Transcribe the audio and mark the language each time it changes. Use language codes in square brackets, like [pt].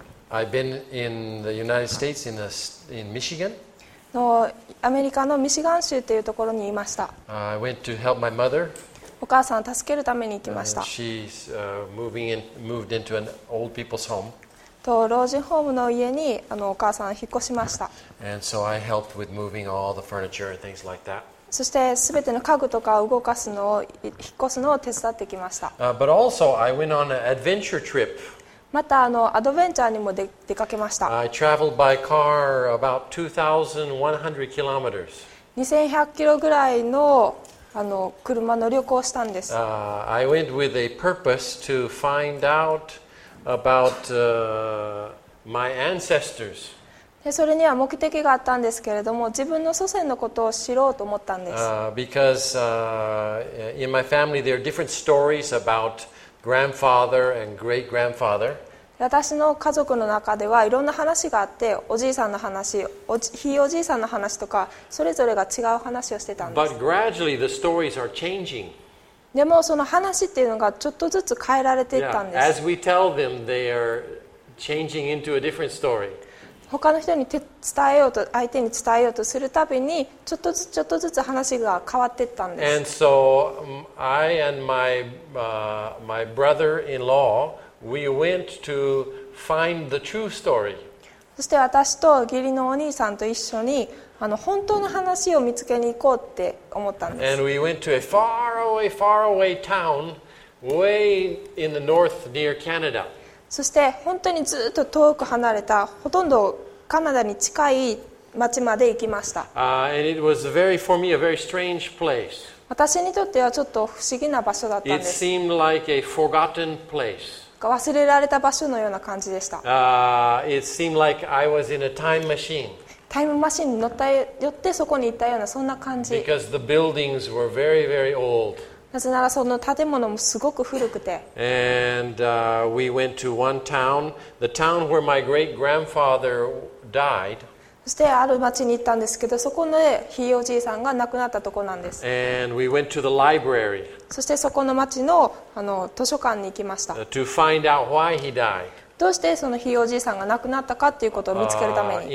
[en] I've been in the United States in Michigan. [ja] のアメリカのミシガン州というところにいました。 [en] I went to help my mother. [ja] お母さんを助けるために行きました。と老人ホームの家にお母さん引っ越しました。 [en] So I helped with moving all the furniture and things like that. [ja] そして全ての家具とかを動かすのを引っ越すのを手伝ってきました。 [en] But also I went on an adventure trip. [ja] またアドベンチャーにも出かけました。 [en] I traveled by car about 2,100 kilometers. [ja] 2,100 キロぐらいの車の旅行をしたんです。 [en] I went with a purpose to find out about my ancestors. [ja] で、それには目的があったんですけれども、自分の祖先のことを知ろうと思ったんです。 [en] Because in my family there are different stories about grandfather and great grandfather. [ja] 私の家族の中ではいろんな話があって、おじいさんの話、ひいおじいさんの話とか、それぞれが違う話をしてたんです。 [en] But gradually the stories are changing. [ja] でもその話っていうのがちょっとずつ変えられていったんです。 [en] As we tell them, they are changing into a different story. [ja] 他の人に伝えようと、相手に伝えようとするたびに、ちょっとずつちょっとずつ話が変わっていったんです。 [en] And so I and my brother-in-law,We went to find the true story. [ja] そして私と義理のお兄さんと一緒に本当の話を見つけに行こうって思ったんです。 [en] And we went to a far away, far away town way in the north near Canada. [ja] そして本当にずっと遠く離れた、ほとんどカナダに近い町まで行きました。 [en] And it was for me a very strange place. [ja] 私にとってはちょっと不思議な場所だったんです。 [en] It seemed like a forgotten place. [ja] 忘れられた場所のような感じでした。 [en] It seemed like I was in a time machine. [ja] タイムマシンに乗った、寄ってそこに行ったような、そんな感じ。 [en] Because the buildings were very, very old. [ja] なぜならその建物もすごく古くて。 [en] And we went to one town, the town where my great-grandfather died. [ja] そしてある町に行ったんですけど、そこでひいおじいさんが亡くなったところなんです。 [en] And we went to the library. [ja] そしてそこの町の図書館に行きました。 [en] To find out why he died. [ja] どうしてそのひいおじいさんが亡くなったかっていうことを見つけるために。